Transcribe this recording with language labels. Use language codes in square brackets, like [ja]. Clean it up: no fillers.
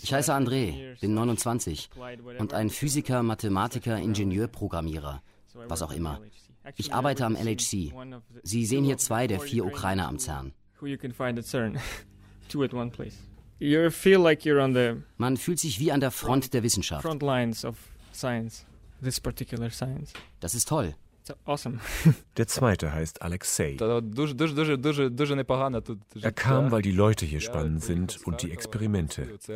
[de] Ich heiße Andrei, bin 29 und ein Physiker, Mathematiker, Ingenieur, Programmierer, was auch immer. Ich arbeite am LHC. Sie sehen hier zwei der vier Ukrainer am CERN. [en] Who you can find at CERN. Two at one place. You feel like you're on the [de] Man fühlt sich wie an der Front der Wissenschaft. [en] Front lines of science, this particular science. [de] Das ist toll. [en] Awesome. [de] Der zweite heißt Alexei. Er kam, weil die Leute hier spannend sind und die Experimente.